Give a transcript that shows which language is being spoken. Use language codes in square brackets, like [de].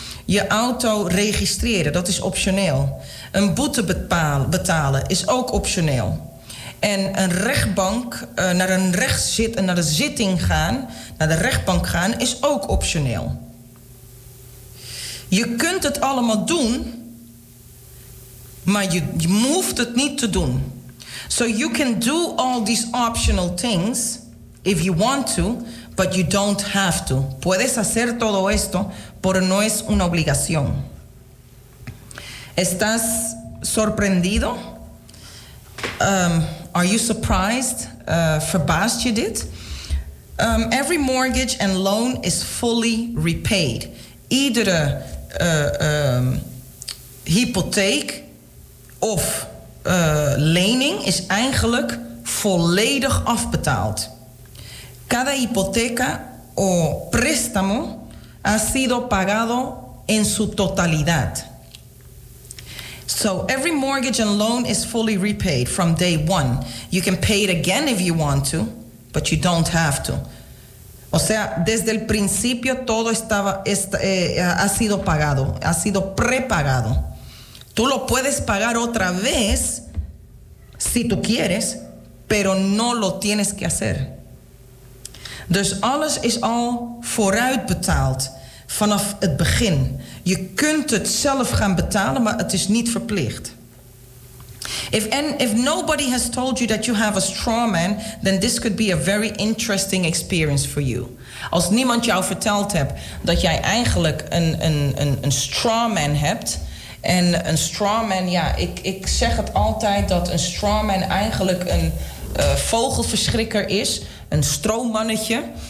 [nl] Je auto registreren, dat is optioneel. Een boete betalen is ook optioneel. En een rechtbank, naar de rechtbank gaan, is ook optioneel. Je kunt het allemaal doen, maar je hoeft het niet te doen. [en] So you can do all these optional things if you want to, but you don't have to. [es] Puedes hacer todo esto, pero no es una obligación. ¿Estás sorprendido? [en] Are you surprised? [nl] Verbaasd je dit? [en] Every mortgage and loan is fully repaid. [nl] Iedere hypotheek of lening is eigenlijk volledig afbetaald. [es] Cada hipoteca o préstamo ha sido pagado en su totalidad. [en] So every mortgage and loan is fully repaid from day one. You can pay it again if you want to, but you don't have to. [es] O sea, desde el principio todo ha sido pagado, ha sido prepagado. Tú lo puedes pagar otra vez si tú quieres, pero no lo tienes que hacer. [nl] Dus alles is al vooruitbetaald vanaf het begin. Je kunt het zelf gaan betalen, maar het is niet verplicht. [en] If nobody has told you that you have a straw man, then this could be a very interesting experience for you. [nl] Als niemand jou verteld hebt dat jij eigenlijk een straw man hebt. En een straw man, ja, ik zeg het altijd dat een straw man eigenlijk vogelverschrikker is. Een stroommannetje.